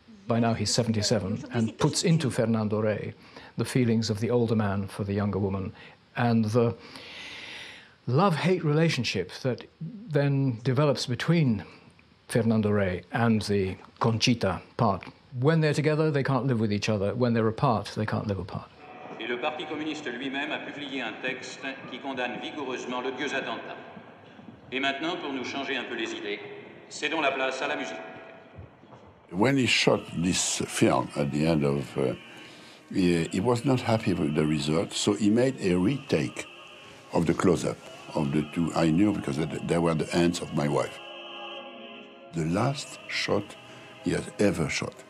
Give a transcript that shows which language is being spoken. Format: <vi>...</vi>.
<en>By now he's 77 and puts into Fernando Rey the feelings of the older man for the younger woman and the love-hate relationship that then develops between Fernando Rey and the Conchita part. When they're together, they can't live with each other. When they're apart, they can't live apart.</en> <fr>Et le Parti communiste lui-même a publié un texte qui condamne vigoureusement l'odieux attentat. Et maintenant, pour nous changer un peu les idées, cédons la place à la musique.</fr> <en>When he shot this film at the end of... he was not happy with the result, so he made a retake of the close-up of the two. I knew because they were the hands of my wife. The last shot he has ever shot.</en>